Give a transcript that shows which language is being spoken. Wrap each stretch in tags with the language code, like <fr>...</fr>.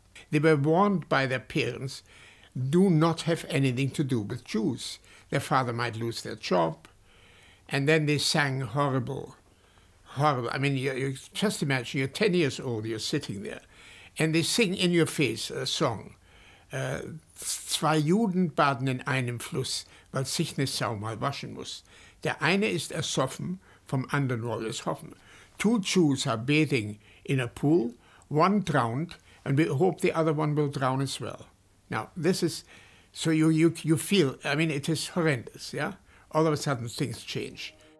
<en>They were warned by their parents, do not have anything to do with Jews. Their father might lose their job. And then they sang horrible, horrible. I mean, you just imagine, you're 10 years old, you're sitting there, and they sing in your face a song.</en> <de>Zwei Juden baden in einem Fluss, weil sich ne Sau mal waschen muss. Der eine ist ersoffen, vom anderen wohl es hoffen.</de> <en>Two Jews are bathing in a pool, one drowned, and we hope the other one will drown as well. Now, this is, so you feel, I mean, it is horrendous, yeah? All of a sudden, things change.</en>